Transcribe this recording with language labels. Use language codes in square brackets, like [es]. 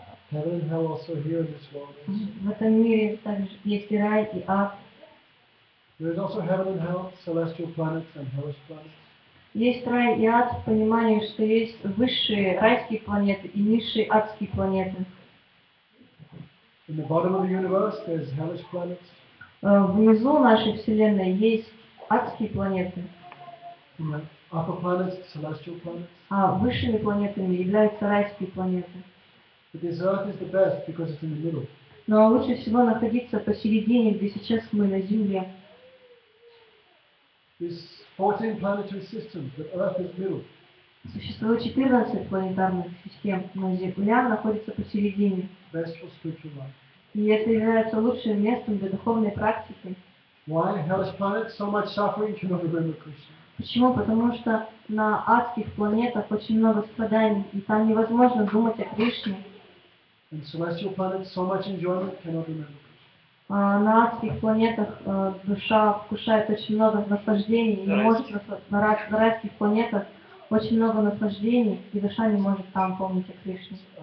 [en] Heaven and hell also here in this world. [ru] В этом мире также есть и рай, и ад. [en] There is also heaven and hell, celestial planets and hellish planets. [ru] Есть рай и ад в понимании, что есть высшие райские планеты и низшие адские планеты. [en] In the bottom of the universe, there's hellish planets. [ru] Внизу нашей Вселенной есть адские планеты. [en] In the upper planets, celestial planets. [ru] А высшими планетами являются райские планеты. [en] But this earth is the best because it's in the middle. [ru] Но лучше всего находиться посередине, где сейчас мы на Земле. [en] This 14 planetary systems, the Earth is middle. [ru] Существует 14 планетарных систем, но Земля находится посередине. [en] Best for spiritual life. [ru] И это является лучшим местом для духовной практики. [en] Why hellish planets so much suffering can only bring to Krishna? [ru] Почему? Потому что на адских планетах очень много страданий, и там невозможно думать о Кришне. [en] And celestial planets so much enjoyment cannot bring to Krishna. [ru] На адских планетах душа вкушает очень много наслаждений, и может на райских планетах очень много наслаждений, и душа не может там помнить о Кришне.